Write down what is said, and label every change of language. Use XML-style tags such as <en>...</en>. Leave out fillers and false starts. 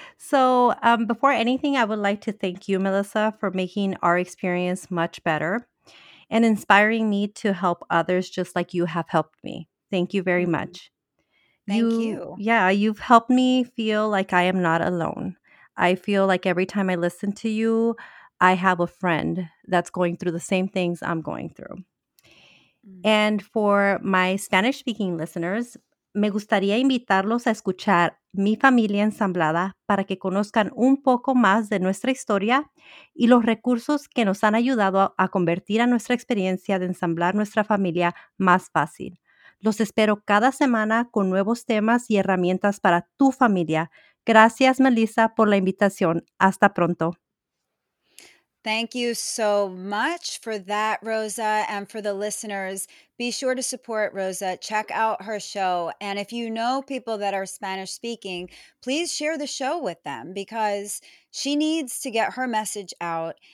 <en>So before anything, I would like to thank you, Melissa, for making our experience much better and inspiring me to help others just like you have helped me. Thank you very much. Thank you. Yeah, you've helped me feel like I am not alone. I feel like every time I listen to you, I have a friend that's going through the same things I'm going through. And for my Spanish-speaking listeners,</en> <es>me gustaría invitarlos a escuchar Mi Familia Ensamblada para que conozcan un poco más de nuestra historia y los recursos que nos han ayudado a convertir a nuestra experiencia de ensamblar nuestra familia más fácil. Los espero cada semana con nuevos temas y herramientas para tu familia. Gracias, Melissa, por la invitación. Hasta pronto.</es> <en>Thank you so much for that, Rosa, and for the listeners. Be sure to support Rosa. Check out her show. And if you know people that are Spanish speaking, please share the show with them because she needs to get her message out.</en>